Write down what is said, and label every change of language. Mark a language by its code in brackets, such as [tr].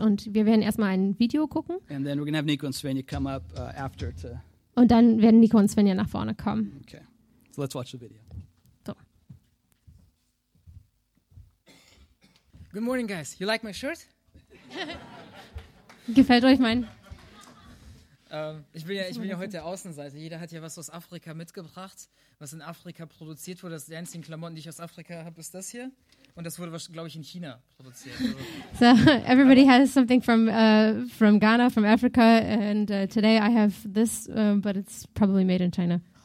[de] Und wir werden erstmal ein Video gucken. [en] And then we're gonna have Nico and Svenja come up after to. [de] Und dann werden Nico und Svenja nach vorne kommen. [en] Okay, so let's watch the video. So. Good morning, guys. You like my shirt? [de] Gefällt euch mein? Ich bin ja heute Außenseiter. Jeder hat ja was aus Afrika mitgebracht, was in Afrika produziert wurde. Das ist die einzigen Klamotten, die ich aus Afrika habe, ist das hier. Und das wurde, glaube ich, in China produziert. [en] So, everybody has something from Ghana, from Africa, and today I have this, but it's probably made in China.